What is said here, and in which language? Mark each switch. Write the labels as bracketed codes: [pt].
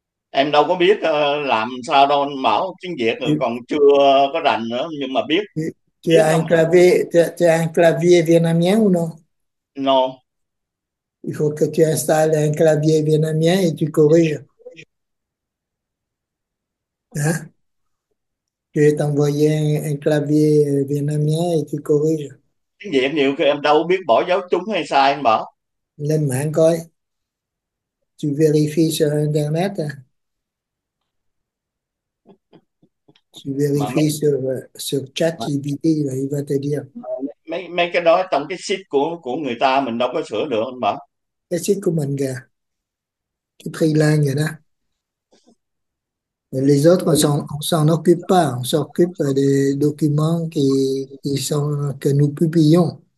[vi] em đâu có biết làm sao đâu, anh bảo tiếng Việt rồi còn chưa có rành nữa, nhưng mà biết biết [fr] Clavier, [vi] không hả? [fr] tu as un clavier vietnamien ou non? Non. Il faut que tu installes un clavier vietnamien et tu corriges. Hein? Je vais t'envoyer un clavier vietnamien et tu corriges. [vi] Việt nhiều khi em đâu biết bỏ dấu trúng hay sai, anh bảo. Lên mạng coi. [fr] Tu vérifies sur Internet. Tu [vi] Mà [fr] vérifies sur ChatGPT là il va te dire. [vi] mấy cái đó trong cái sheet của người ta mình đâu có sửa được, anh bảo. Cái sheet của mình kìa, cái freelance vậy đó. [fr] Et les autres, on s'en occupe pas, on s'occupe des documents qui sont que nous publions.